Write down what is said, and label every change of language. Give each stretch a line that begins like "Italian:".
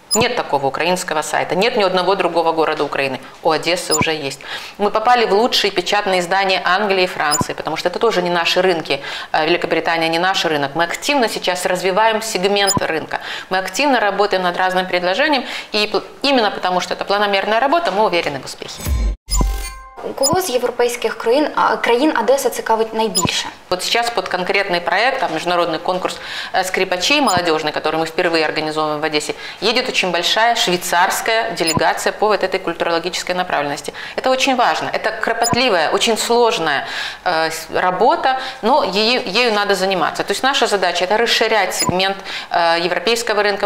Russian: Нет такого украинского сайта, нет ни одного другого города Украины. У Одессы уже есть. Мы попали в лучшие печатные издания Англии и Франции, потому что это тоже не наши рынки. Великобритания не наш рынок. Мы активно сейчас развиваем сегмент рынка. Мы активно работаем над разным предложением. И именно потому, что это планомерная работа, мы уверены в успехе.
Ukrainian: Кого из европейских країн Одеса цікавить найбільше?
Russian: Вот сейчас под конкретный проект, там международный конкурс скрипачей молодежный, который мы впервые организовываем в Одессе, едет очень большая швейцарская делегация по вот этой культурологической направленности. Это очень важно. Это кропотливая, очень сложная работа, но ею надо заниматься. То есть наша задача – это расширять сегмент европейского рынка.